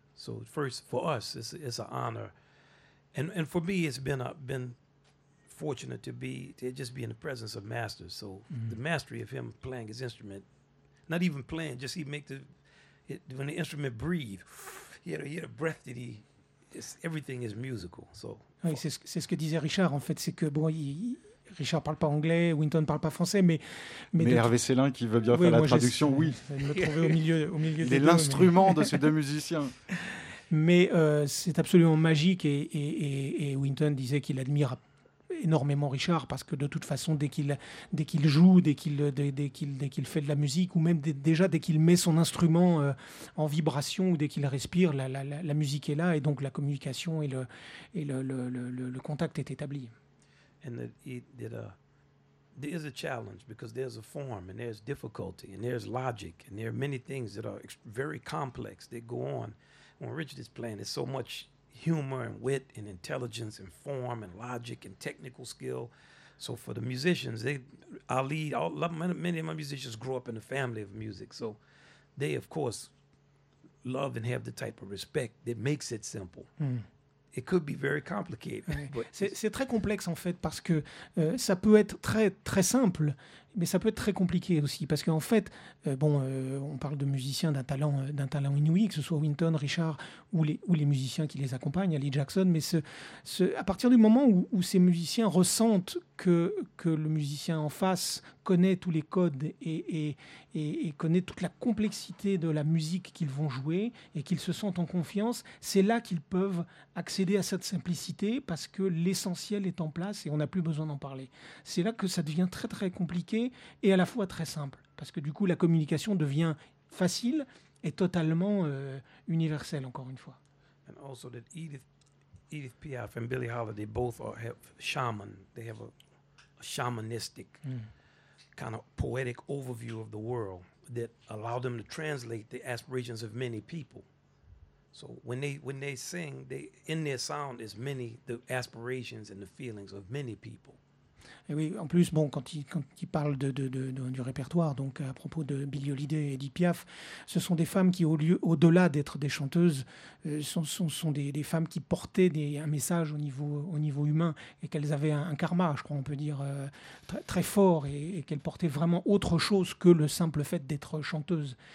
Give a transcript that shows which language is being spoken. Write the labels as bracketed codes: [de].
[en] So first, for us, it's an honor. And for me, it's been fortunate to just be in the presence of masters. So the mastery of him playing his instrument, not even playing, just he make the... It, when the instrument breathe, he had a breath that everything is musical. So, [fr] oui, c'est ce que disait Richard, en fait, c'est que bon, Richard parle pas anglais, Wynton parle pas français, mais Hervé Célin qui veut bien faire la traduction, oui. Me trouver au milieu des deux, l'instrument de ces deux musiciens. Mais c'est absolument magique, et Wynton disait qu'il admire énormément Richard, parce que de toute façon, dès qu'il joue, dès qu'il fait de la musique, ou même déjà dès qu'il met son instrument en vibration, ou dès qu'il respire, la musique est là, et donc la communication et le contact est établi. [en] There is a challenge, because there's a form and there's difficulty and there's logic and there are many things that are very complex that go on when Richard is playing. It's so much humor and wit and intelligence and form and logic and technical skill. So for the musicians, many of my musicians grew up in a family of music. So they, of course, love and have the type of respect that makes it simple. It could be very complicated. [fr] C'est très complexe, en fait, parce que ça peut être très, très simple, mais ça peut être très compliqué aussi, parce qu'en fait, on parle de musiciens d'un talent inouï, que ce soit Wynton, Richard ou les musiciens qui les accompagnent, Ali Jackson, mais à partir du moment où ces musiciens ressentent que le musicien en face connaît tous les codes et connaît toute la complexité de la musique qu'ils vont jouer et qu'ils se sentent en confiance, c'est là qu'ils peuvent accéder à cette simplicité parce que l'essentiel est en place et on n'a plus besoin d'en parler. C'est là que ça devient très très compliqué et à la fois très simple parce que du coup la communication devient facile et totalement universelle encore une fois. [en] And also that Edith Piaf and Billie Holiday both have shaman. They have a shamanistic kind of poetic overview of the world that allow them to translate the aspirations of many people. So when they sing, they in their sound is many the aspirations and the feelings of many people. [fr] Et oui, en plus, bon, quand il parle du répertoire, donc à propos de Billie Holiday et Edith Piaf, ce sont des femmes qui, au-delà d'être des chanteuses, sont des femmes qui portaient un message au niveau humain et qu'elles avaient un karma, je crois, on peut dire, très fort et qu'elles portaient vraiment autre chose que le simple fait d'être chanteuse.